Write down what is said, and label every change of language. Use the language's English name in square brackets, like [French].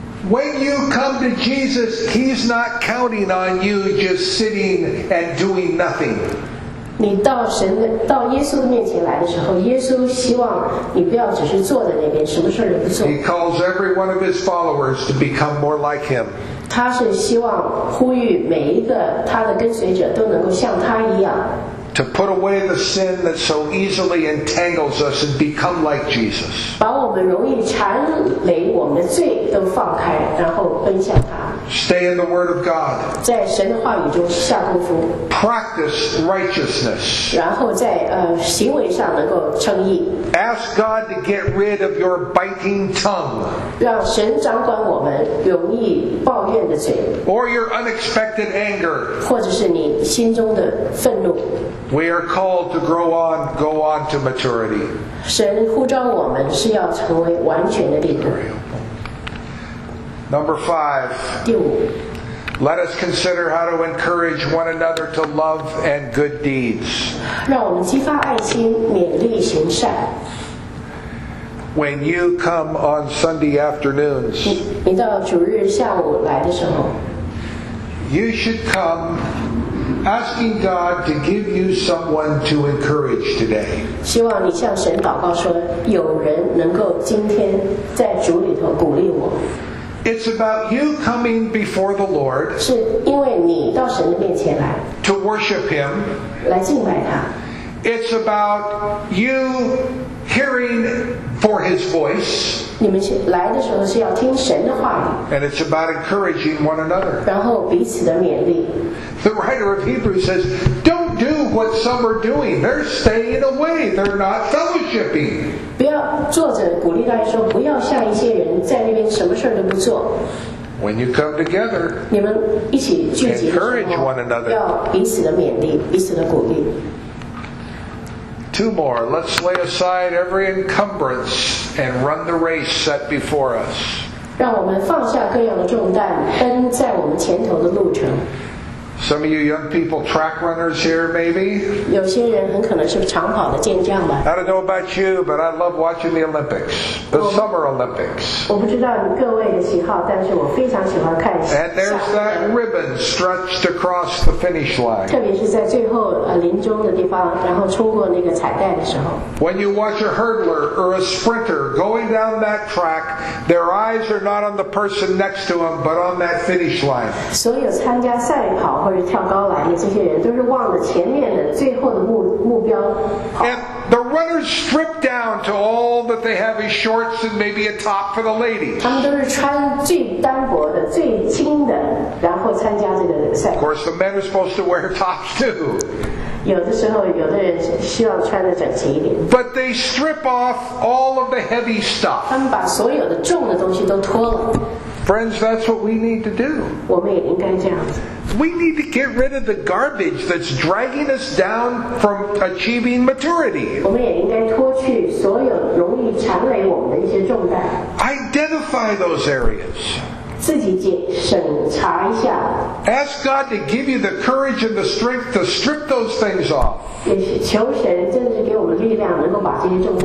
[English] When you come to Jesus, he's not counting on you just sitting and doing nothing. [Chinese] 你到耶稣的面前来的时候，耶稣希望你不要只是坐在那边，什么事儿也不做。 [English] He calls every one of his followers to become more like him. [Chinese] 他是希望呼吁每一个他的跟随者都能够像他一样。 [English] To put away the sin that so easily entangles us and become like Jesus. [Chinese] 把我们容易缠累我们的罪都放开，然后奔向他。 [English] Stay in the Word of God. [Chinese] 在神的话语中下功夫。 [English] Practice righteousness. [Chinese] 然后在行为上能够称义。 [English] Ask God to get rid of your biting tongue. [Chinese] 让神掌管我们容易抱怨的嘴。 [English] Or your unexpected anger. [Chinese] 或者是你心中的愤怒。 [English] We are called to grow on, go on to maturity. [Chinese] 神呼召我们是要成为完全的弟兄。 [English] Number five. [Chinese] 第五。 [English] Let us consider how to encourage one another to love and good deeds. [Chinese] 让我们激发爱心，勉励行善。 [English] When you come on Sunday afternoons, [Chinese] 你到主日下午来的时候， [English] you should come. Asking God to give you someone to encourage today. [Chinese] 希望你向神祷告说，有人能够今天在主里头鼓励我。 [English] It's about you coming before the Lord. [Chinese] 是因为你到神的面前来。 [English] To worship Him. [Chinese] 来敬拜他。 [English] It's about you hearing for His voice. [Chinese] 你们来的时候是要听神的话语。 [English] And it's about encouraging one another. [Chinese] 然后彼此的勉励。 [English] The writer of Hebrews says, don't do what some are doing. They're staying away. They're not fellowshipping. [Chinese] 不要，作者鼓励大家说，不要像一些人在那边什么事都不做。 [English] When you come together, [Chinese] 你们一起聚集的时候， [English] encourage one another. [Chinese] 要彼此的勉励，彼此的鼓励。 [English] Two more. Let's lay aside every encumbrance and run the race set before us. [Chinese] 让我们放下各样的重担，奔在我们前头的路程。 [English] Some of you young people, track runners here, maybe. [Chinese] 有些人很可能是长跑的健将吧。 [English] I don't know about you, but I love watching the Olympics, the Summer Olympics. [Chinese] 我不知道各位的喜好，但是我非常喜欢看。 [English] And there's that ribbon stretched across the finish line. [Chinese] 特别是在最后临终的地方，然后冲过那个彩带的时候。 [English] When you watch a hurdler or a sprinter going down that track, their eyes are not on the person next to them, but on that finish line. [Chinese] 所有参加赛跑或者跳高栏的这些人都是望着前面的最后的 目标。 [English] And the runners strip down to all that they have is shorts and maybe a top for the ladies. [Chinese] 他们都是穿最单薄的最轻的然后参加这个赛。 [English] Of course, the men are supposed to wear tops too. [Chinese] 有的时候有的人需要穿得整齐一点。 [English] But they strip off all of the heavy stuff. [Chinese] 他们把所有的重的东西都脱了。 [English] Friends, that's what we need to do. [Chinese] 我们也应该这样子。 [English] We need to get rid of the garbage that's dragging us down from achieving maturity. [Chinese] 我们也应该脱去所有容易缠累我们的一些重担。 [English] Identify those areas. [Chinese] 自己审查一下。 [English] Ask God to give you the courage and the strength to strip those things off. [Chinese] 也求神真的是给我们力量，能够把这些重担。